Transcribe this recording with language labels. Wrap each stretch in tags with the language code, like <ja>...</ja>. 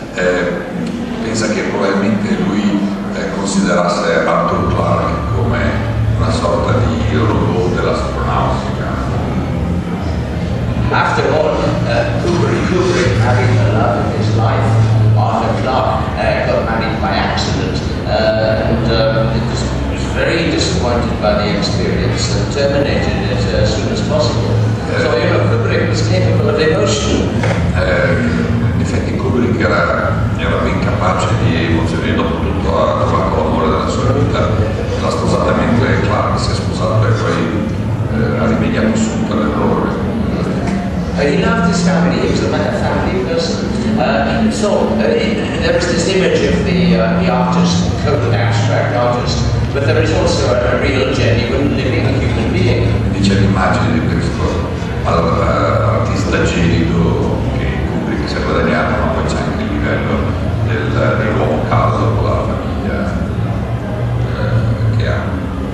<it>Pensa che probabilmente lui considerasse Arthur Clarke come una sorta di robot dell'astronautica.</it> <en>After all, Kubrick, having the love of his life, Arthur Clarke, got married by accident, and was very disappointed by the experience and terminated it as soon as possible. So, you know, Kubrick was capable of emotion.</en> <it>In effetti Kubrick era ben capace di emozioni dopo tutto con l'amore della sua vita. L'ha sposata mentre Clark si è sposato e poi ha rimediato subito l'errore.</it> <en>He loved his family, he was a family person. There is this image of the artist, the abstract artist, but there is also a real genuine living human being.</en> <it>Dice l'immagine di questo artista gelido che Kubrick si è guadagnato, ma poi c'è anche il livello dell'uomo caldo con la famiglia che ha.</it>